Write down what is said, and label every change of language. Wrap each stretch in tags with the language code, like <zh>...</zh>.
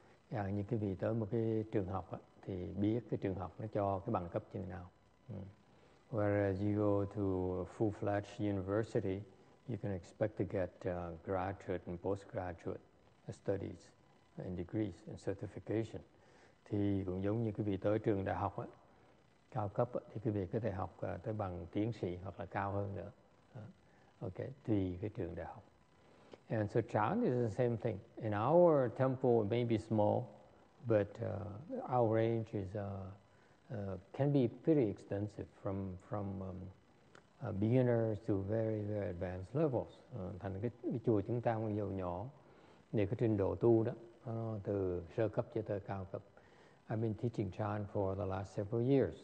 <vi>Như cái vị tới một cái trường học á, thì biết cái trường học nó cho cái bằng cấp như thế nào.</vi> <en>Whereas you go to a full-fledged university, you can expect to get graduate and postgraduate studies and degrees and certification.</en> <vi>Thì cũng giống như cái vị tới trường đại học á, cao cấp á, thì cái vị có thể học tới bằng tiến sĩ hoặc là cao hơn nữa. Okay, tùy cái trường đại học.</vi> <en>And so chan is the same thing. In our temple, it may be small, but our range is can be pretty extensive from beginners to very, very advanced levels.</en> <vi>Thành cái chùa chúng ta mặc dù nhỏ, để cái trình độ tu đó, từ sơ cấp cho tới cao cấp.</vi> <en>I've been teaching chan for the last several years.</en>